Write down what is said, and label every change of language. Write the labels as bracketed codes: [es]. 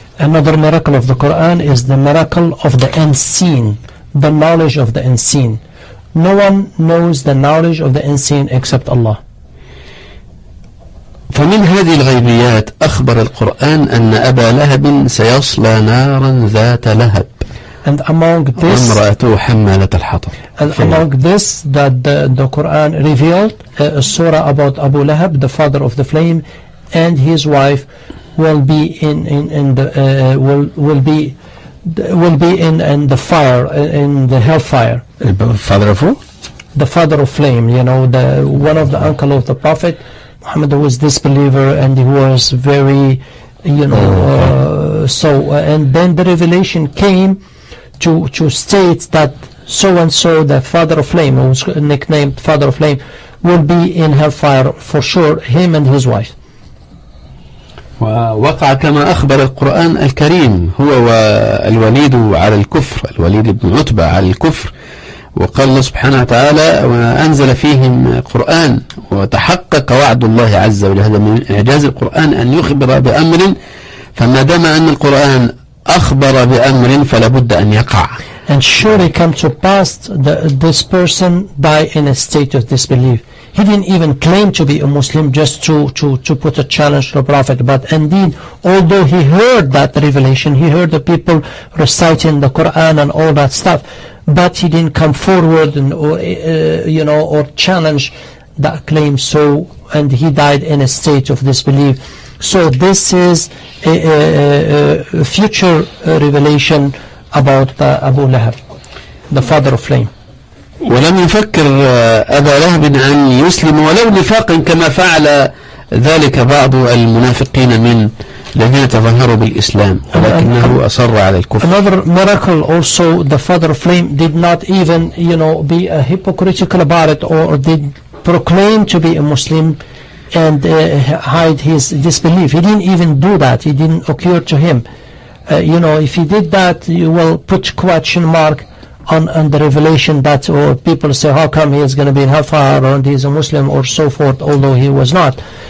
[en] Another miracle of the Quran is the miracle of the unseen, the knowledge of the unseen. No one knows the knowledge of the unseen except Allah. [ar] فمن هذه الغيبيات أخبر القرآن أن أبا لهب سيصلى نارا ذات لهب. [en] And among this, [ar] امرأته حمالة الحطب. [en] And among this, that the Quran revealed a surah about Abu Lahab, the father of the flame, and his wife will be in the fire, in the hellfire. Father of who? The father of flame, the one of the uncle of the Prophet Muhammad, was disbeliever, and he was very, and then the revelation came to state that so and so, the father of flame, who was nicknamed father of flame, will be in hellfire for sure, him and his wife. [ar] ووقع كما أخبر القرآن الكريم هو والوليد على الكفر، الوليد بن عتبة على الكفر، وقال الله سبحانه وتعالى وأنزل فيهم قرآن وتحقق وعد الله عز وجل. هذا من إعجاز القرآن أن يخبر بأمر، فما دام أن القرآن أخبر بأمر فلا بد أن يقع. [en] And surely come to pass that this person die in a state of disbelief. He didn't even claim to be a Muslim just to put a challenge to the Prophet. But indeed, although he heard that revelation, he heard the people reciting the Quran and all that stuff, but he didn't come forward and or challenge that claim. So, and he died in a state of disbelief. So this is a future revelation about Abu Lahab, the father of flame. [ar] ولم يفكر أبا لهب أن يسلم ولو نفاقا كما فعل ذلك بعض المنافقين من الذين تظاهروا بالإسلام، ولكنه أصر على الكفر. [en] Another miracle also, the father of flame did not even be a hypocritical about it, or did proclaim to be a Muslim and hide his disbelief. He didn't even do that. It didn't occur to him. If he did that, you will put question mark on the revelation that, or people say, how come he is going to be in hellfire and he's a Muslim or so forth, although he was not.